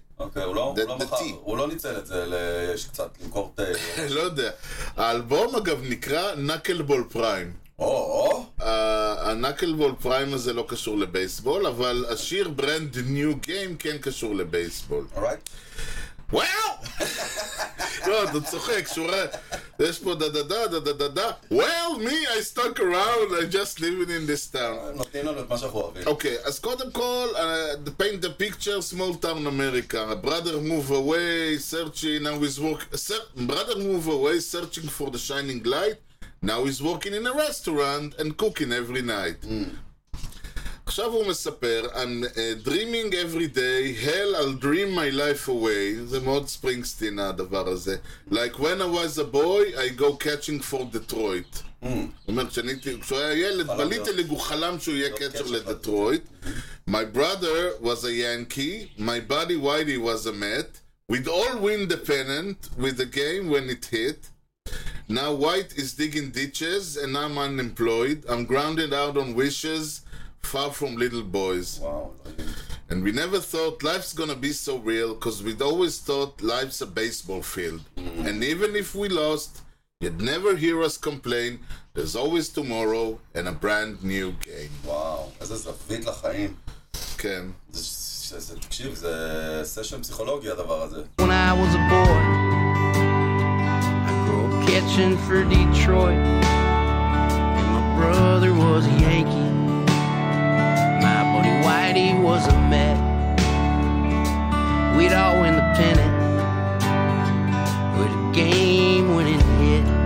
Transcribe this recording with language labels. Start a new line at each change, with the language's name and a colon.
Hebrew: אוקיי, הוא לא ניצל את זה, יש קצת למכור טה. לא יודע. האלבום אגב נקרא נקלבול פריים. הנקלבול פריים הזה לא קשור לבייסבול, אבל השיר Brand New Game כן קשור לבייסבול.
English: Well,
Hebrew: לא, אתה צוחק, שורה, יש פה
English: דדדה, דדדדה, well, me, I stuck around, I just living in this town.
Hebrew: נותנים לנו את מה שאנחנו אוהבים. אוקיי, אז קודם כל,
English: paint the picture, small town America, brother move away, searching, now he's working, brother move away, searching for the shining light, now he's working in a restaurant and cooking every night.
Hebrew: עכשיו הוא מספר,
English: I'm dreaming every day, hell I'll dream my life away.
Hebrew: זה מאוד ספרינגסטין הדבר הזה.
English: Like when I was a boy, I go catching for Detroit.
Hebrew: הוא אומר, כשהוא היה ילד, בליטל הוא חלם שהוא יהיה קצ'ר לדטרויט.
English: My brother was a Yankee, my buddy Whitey was a Met. We'd all win the pennant with the game when it hit. Now White is digging ditches and I'm unemployed. I'm grounded out on wishes. Far from little boys. Wow. And we never thought life's gonna be so real, because we'd always thought life's a baseball field. Mm-hmm. And even if we lost, you'd never hear us complain. There's always tomorrow and a brand new game.
Hebrew: Wow. איזה זווית לחיים. כן. תקשיב, זה סשן פסיכולוגי הדבר הזה.
English: When I was a boy, I grew up catching for Detroit. And my brother was a Yankee. Whitey was a Met. We'd all win the pennant with a game winning hit.